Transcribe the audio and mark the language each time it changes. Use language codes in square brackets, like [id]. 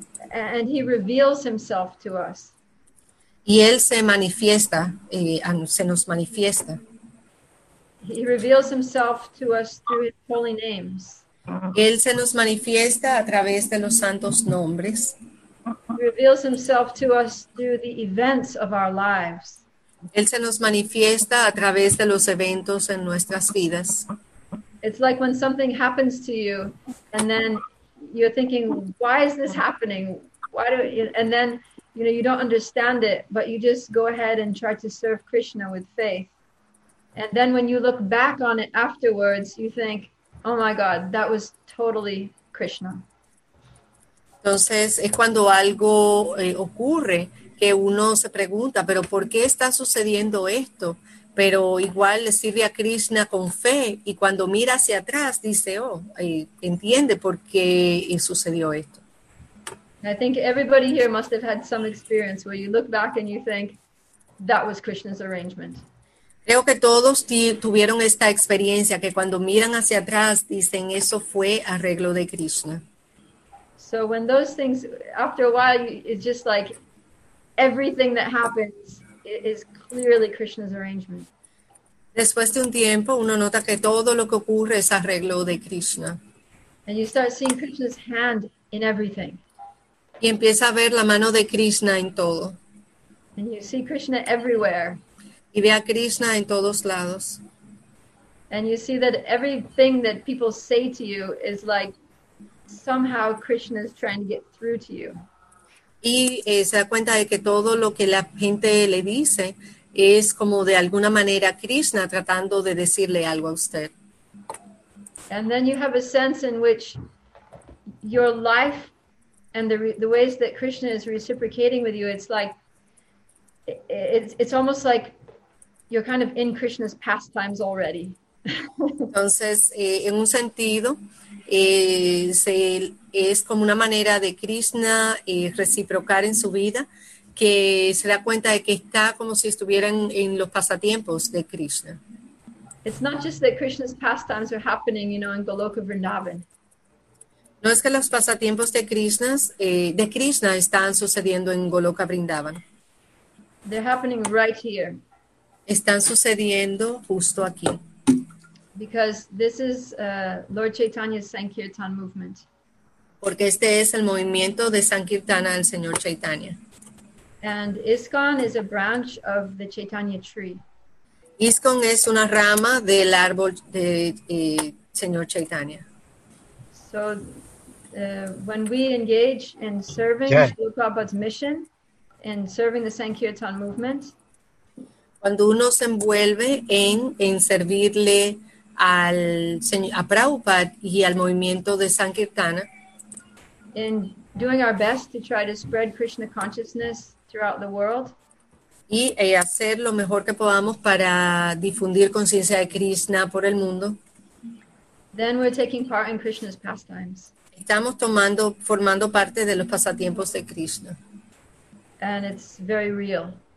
[en] And he reveals himself to us. [es] Y él se manifiesta, se nos manifiesta. [en] He reveals himself to us through his holy names. [es] Él se nos manifiesta a través de los santos nombres. [en] He reveals himself to us through the events of our lives. [es] Él se nos manifiesta a través de los eventos en nuestras vidas. [en] It's like when something happens to you and then you're thinking, why is this happening? Why do you? And then, you know, you don't understand it, but you just go ahead and try to serve Krishna with faith. And then when you look back on it afterwards, you think, oh my God, that was totally Krishna. [es] Entonces, es cuando algo ocurre que uno se pregunta, pero ¿por qué está sucediendo esto? Pero igual le sirve a Krishna con fe y cuando mira hacia atrás dice, oh, entiende por qué sucedió esto. [en] I think everybody here must have had some experience where you look back and you think, that was Krishna's arrangement. [es] Creo que todos tuvieron esta experiencia que cuando miran hacia atrás dicen, eso fue arreglo de Krishna. [en] So when those things, after a while, it's just like everything that happens is clearly Krishna's arrangement. [es] Después de un tiempo, uno nota que todo lo que ocurre es arreglo de Krishna. [en] And you start seeing Krishna's hand in everything. [es] Y empieza a ver la mano de Krishna en todo. [en] And you see Krishna everywhere. [es] Y ve a Krishna en todos lados. [en] And you see that everything that people say to you is like, somehow Krishna is trying to get through to you. [es] Y se da cuenta de que todo lo que la gente le dice es como de alguna manera Krishna tratando de decirle algo a usted. [en] And then you have a sense in which your life and the ways that Krishna is reciprocating with you, it's almost like you're kind of in Krishna's pastimes already. [es] Entonces, en un sentido, es como una manera de Krishna reciprocar en su vida, que se da cuenta de que está como si estuviera en los pasatiempos de Krishna. [en] It's not just that Krishna's pastimes are happening, you know, in Goloka Vrindavan. [es] No es que los pasatiempos de Krishna están sucediendo en Goloka Vrindavan. [en] They're happening right here. [es] Están sucediendo justo aquí. [en] Because this is Lord Chaitanya's Sankirtan movement. [es] Porque este es el movimiento de Sankirtana del Señor Chaitanya. [en] And ISKCON is a branch of the Chaitanya tree. [es] ISKCON es una rama del árbol de Señor Chaitanya. [en] So when we engage in serving Srila Prabhupada's mission, in serving the Sankirtan movement, [es] cuando uno se envuelve en servirle al Señor, a Prabhupada y al movimiento de Sankirtana, [en] in doing our best to try to spread Krishna consciousness throughout the world, [es] y hacer lo mejor que podamos para difundir conciencia de Krishna por el mundo, [en] then we're taking part in Krishna's pastimes. [es] Estamos tomando, formando parte de los pasatiempos de Krishna. [en] And it's very real.